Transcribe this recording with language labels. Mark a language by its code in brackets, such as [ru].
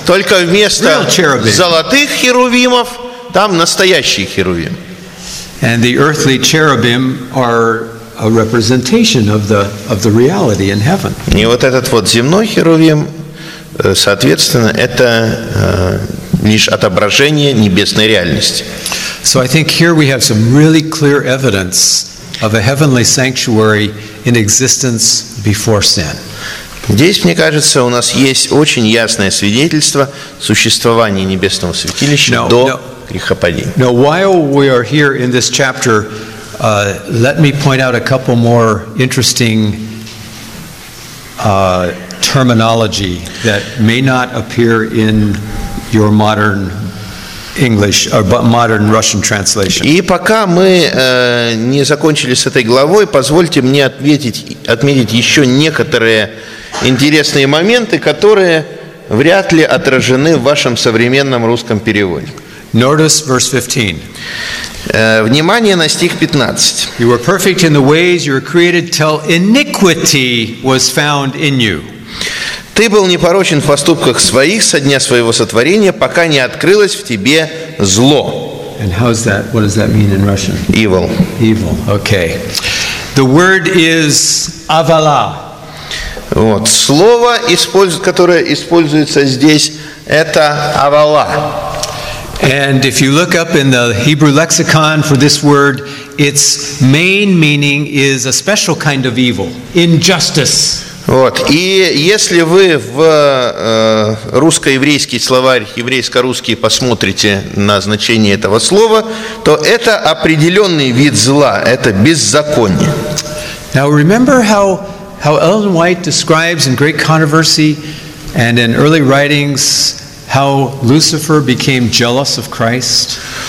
[ru] Только вместо золотых херувимов там настоящий херувим. [en] And the earthly cherubim are a representation of the reality in heaven. [ru] И вот этот вот земной херувим, соответственно, это лишь отображение небесной реальности. [en] So I think here we have some really clear evidence of a heavenly sanctuary in existence before sin. [ru] Здесь, мне кажется, у нас есть очень ясное свидетельство существования небесного святилища до грехопадения. [en] Now, while we are here in this chapter, let me point out a couple more interesting terminology that may not appear in your modern English or modern Russian translation. [ru] И пока мы не закончили с этой главой, позвольте мне отметить еще некоторые интересные моменты, которые вряд ли отражены в вашем современном русском переводе. [en] Notice verse 15. [ru] Внимание на стих 15. [en] You were perfect in the ways you were created till iniquity was found in you. [ru] Ты был непорочен в поступках своих со дня своего сотворения, пока не открылось в тебе зло. [en] And how is that? What does that mean in Russian? Evil. Evil. Okay. The word is avala. [ru] Вот. Слово, которое используется здесь, это авала. [en] And if you look up in the Hebrew lexicon for this word, its main meaning is a special kind of evil, injustice. [ru] Вот. И если вы в русско-еврейский словарь, еврейско-русский посмотрите на значение этого слова, то это определенный вид зла, это беззаконие. [en] Now remember how Ellen White describes in Great Controversy and in early writings how Lucifer became jealous of Christ?